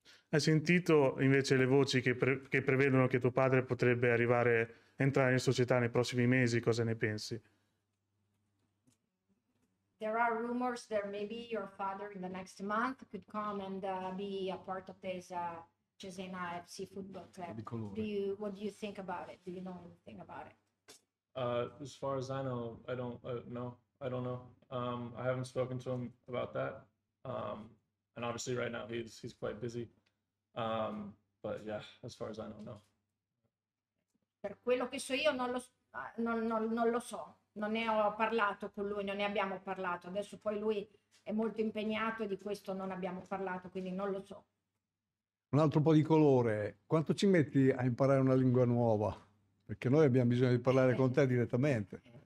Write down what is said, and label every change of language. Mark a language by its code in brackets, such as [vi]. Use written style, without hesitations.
[it] Hai sentito invece le voci che prevedono che tuo padre potrebbe arrivare entrare in società nei prossimi mesi, cosa ne pensi? [en] There are rumors that maybe your father in the next month could come and be a part of this Cesena FC football club. What do you think about it? Do you know anything about it? As far as I know, I don't know. I haven't spoken to him about that. And obviously right now he's quite busy. But yeah, as far as I know, no. [it] Per quello che so io non lo so, non ne ho parlato con lui, non ne abbiamo parlato. Adesso poi lui è molto impegnato e di questo non abbiamo parlato, quindi non lo so. Un altro po' di colore. Quanto ci metti a imparare una lingua nuova? Perché noi abbiamo bisogno di parlare con te direttamente.